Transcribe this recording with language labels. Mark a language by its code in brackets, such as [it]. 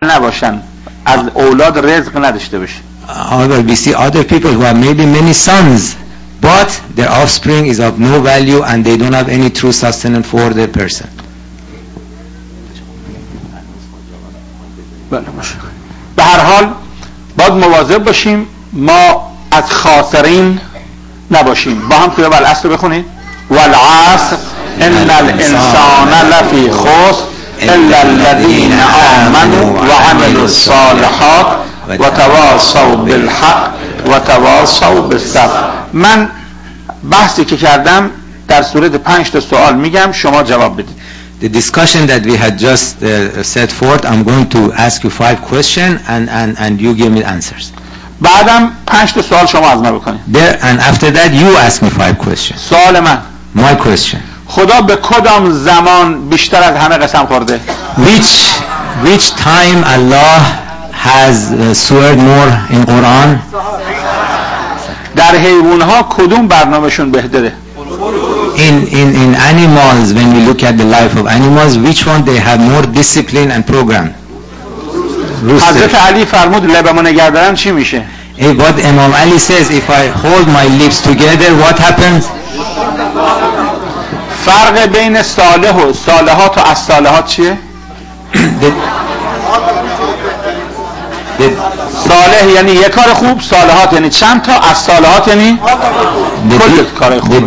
[fa] نباشن از اولاد رزق نداشته باشه. [en] However, we see other people who have maybe many sons, but their offspring is of no value and they don't have any true sustenance for the person. [fa] به هر حال باید مواظب باشیم ما از خاسرین نباشیم. با هم سوره العصر بخونید. [ar] والعصر ان الانسان لفی خسر الا الذين امنوا وعملوا الصالحات وتواصوا بالحق وتواصوا بالصبر. [fa] من بحثی که کردم در صورت 5 تا سوال میگم شما جواب بدید. [en] The discussion that we had just set forth, I'm going to ask you 5 questions and you give me answers. [fa] بعدم 5 تا سوال شما از من بکنید. [en] There, and after that you ask me 5 questions. [fa] سوال من. [en] My question. [fa] خدا به کدام زمان بیشتر از همه قسم خورده؟ [en] Which time Allah has sworn more in Quran? [fa] در حیوانها کدوم برنامه‌شون بهتره؟ [en] In animals, when we look at the life of animals, which one they have more discipline and program? [fa] حضرت علی فرمود لبم رو نگه دارم چی میشه؟ [en] What Imam Ali says, if I hold my lips together, what happens? [fa] فرق بین صالح و صالحات و از صالحات چیه؟ صالح یعنی یک کار خوب، صالحات یعنی چند تا، از صالحات یعنی کل کار خوب.